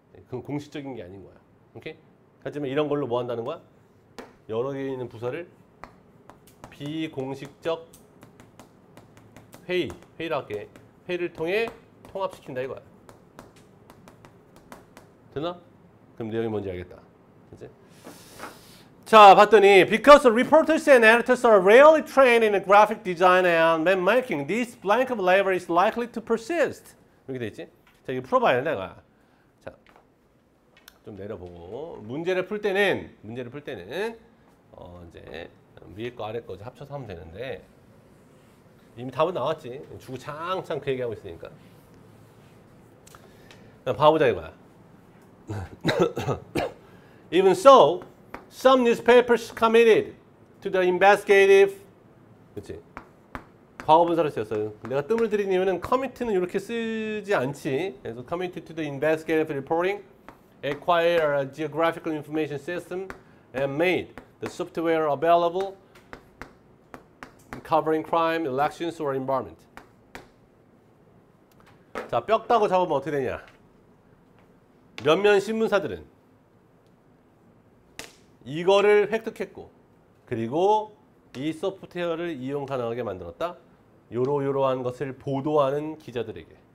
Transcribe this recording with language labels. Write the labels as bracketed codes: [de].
[ko] 그건 공식적인 게 아닌 거야. 오케이? 하지만 이런 걸로 뭐 한다는 거야? 여러 개 있는 부서를 비공식적 회의라 할게. 회의를 통해 통합시킨다 이거야. 됐나? 그럼 내용이 뭔지 알겠다. 그치? 자 봤더니 [en] Because reporters and editors are rarely trained in graphic design and map making, this blank of labor is likely to persist. [ko] 이렇게 돼 있지? 자 이거 풀어봐야 돼 내가. 자 좀 내려보고 문제를 풀 때는 이제 위에 거 아래 거 합쳐서 하면 되는데 이미 답은 나왔지. 주구장창 그 얘기하고 있으니까. 봐보자 이거야. [en] Even so, some newspapers committed to the investigative. [ko] 그렇지. 과거분사를 썼어요. 내가 뜸을 들인 이유는 commit는 이렇게 쓰지 않지. 그래서 [en] committed to the investigative reporting, acquired a geographical information system, and made the software available covering crime, elections, or environment. [ko] 자, 뼈 따고 잡으면 어떻게 되냐? 몇몇 신문사들은 이거를 획득했고 그리고 이 소프트웨어를 이용 가능하게 만들었다. 요러요러한 것을 보도하는 기자들에게.